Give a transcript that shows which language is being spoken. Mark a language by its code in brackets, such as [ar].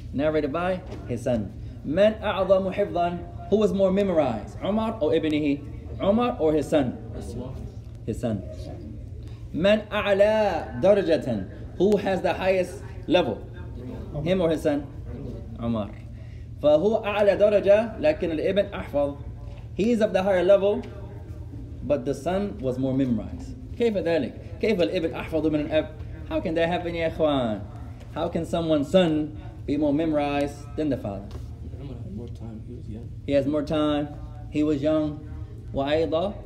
[ar] من أعظم حفظا? [en] Who was more memorized? Umar or ابنه? Umar or his son? His son. [ar] من أعلى درجة? [en] Who has the highest level? Him or his son? Umar. [ar] فهو أعلى درجة لكن الابن أحفظ. [en] He is of the higher level. But the son was more memorized. [ar] كيف ذلك? كيف الابن أحفظ من الأب? [en] How can that happen, [ar] يا إخوان? [en] How can someone's son be more memorized than the father? More time. He was young. He has more time. He was young. وأيضا?